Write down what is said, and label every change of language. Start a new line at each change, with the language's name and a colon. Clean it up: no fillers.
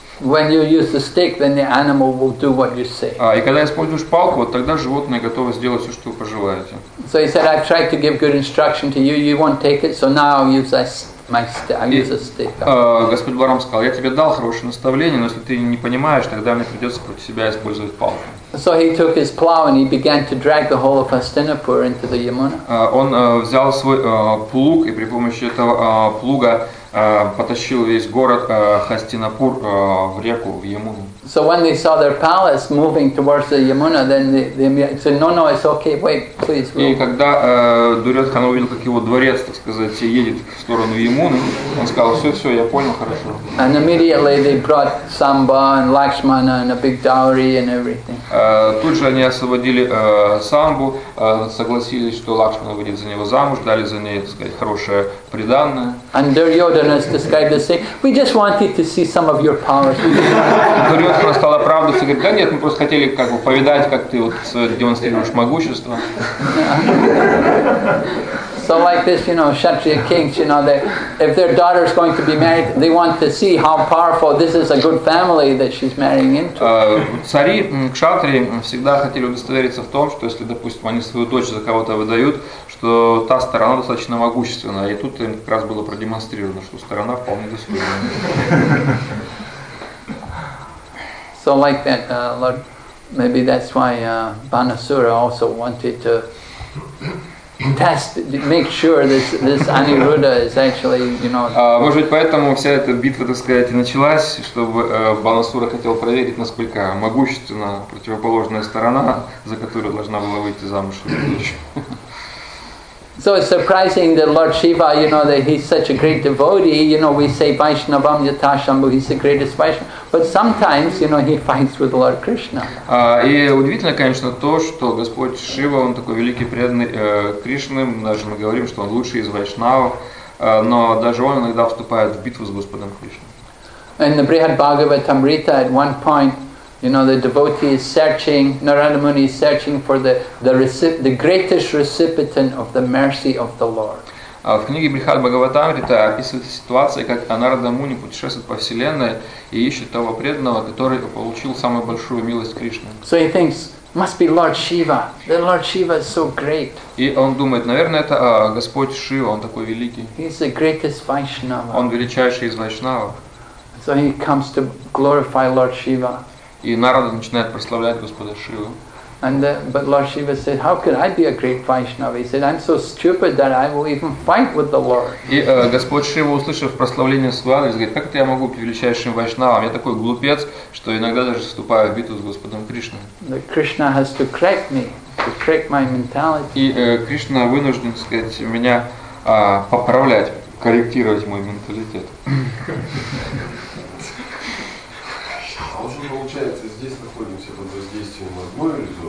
English: When you use the stick, then the animal will do what you say.
Russian: И когда используешь палку, вот тогда животное готово сделать все, что вы пожелаете.
English: So he said, I've tried to give good instruction to you, you won't take it, so now I'll use a stick.
Russian: Господь Баларам сказал, я тебе дал хорошее наставление, но если ты не понимаешь, тогда мне придется против себя использовать палку.
English: So he took his plow and he began to drag the whole of Hastinapur into the Yamuna.
Russian: Он взял свой плуг и при помощи этого плуга потащил весь город Хастинапур в реку, в Ямуну.
English: So when they saw their palace moving towards the Yamuna, then they said, no, it's okay, wait, please.
Russian: И когда Дурьодхана увидел, как его дворец, так сказать, едет в сторону Ямуны, он сказал, все, я понял, хорошо.
English: And immediately they brought Samba and Lakshmana and a big dowry and everything.
Russian: Тут же они освободили Самбу, согласились, что Лакшмана выйдет за него замуж, дали за ней, так сказать, хорошее приданное.
English: And Duryodhana described as saying, we just wanted to see some of your powers.
Russian: Дурьодхана стал оправдываться и говорит, да нет, мы просто хотели как бы повидать, как ты вот демонстрируешь могущество.
English: So So like this, you know, Kshatriya kings, you know, they, if their daughter is going to be married, they want to see how powerful, this is a good family that she's marrying into.
Russian: Цари, кшатрии всегда хотели удостовериться в том, что если, допустим, они свою дочь за кого-то выдают, что та сторона достаточно могущественная. И тут им как раз было продемонстрировано, что сторона вполне достойная.
English: So like that, Lord, maybe that's why Banasura also wanted to test, make sure this Aniruddha is actually, you know.
Russian: Может быть, поэтому вся эта битва, так сказать, началась, чтобы Банасура хотел проверить, насколько могущественна противоположная сторона, за которую должна была выйти замуж его дочь.
English: So it's surprising that Lord Shiva, you know, that he's such a great devotee. You know, we say
Sanskrit: Vaishnavam Yatashambhu,
English: he's the greatest Vaishnava. But sometimes, you know, he fights with Lord Krishna.
Russian: И удивительно, конечно, то, что Господь Шива, он такой великий преданный Кришны. Даже мы говорим, что он лучший из вайшнавов, но даже он иногда вступает в битву с Господом Кришной.
English: In the Brihad Bhagavatamrita, at one point, you know, the devotee is searching, Narada Muni is searching for the greatest recipient of the mercy of the Lord.
Russian: В книге Брихад Бхагаватамрита описывается ситуация, как Нарада Муни путешествует по вселенной и ищет того преданного, который получил самую большую милость Кришны.
English: So he thinks, must be Lord Shiva. The Lord Shiva is so great.
Russian: И он думает, наверное, это Господь Шива, он такой великий.
English: He's the greatest Vaishnava.
Russian: Он величайший из вайшнавов.
English: So he comes to glorify Lord Shiva.
Russian: И Нарада начинает прославлять Господа Шиву.
English: But Lord Shiva said, "How could I be a great Vaishnava?" He said, "I'm so stupid that I will even fight with the Lord."
Russian: И Господь Шива, услышав прославление Свами, говорит, "Как это я могу быть величайшим вайшнавом? Я такой глупец, что иногда даже вступаю в битву с Господом Кришной."
English: The Krishna has to correct me, to correct my mentality.
Russian: И Кришна вынужден, сказать, меня поправлять, корректировать мой менталитет. А уж не получается, здесь находимся под воздействием одной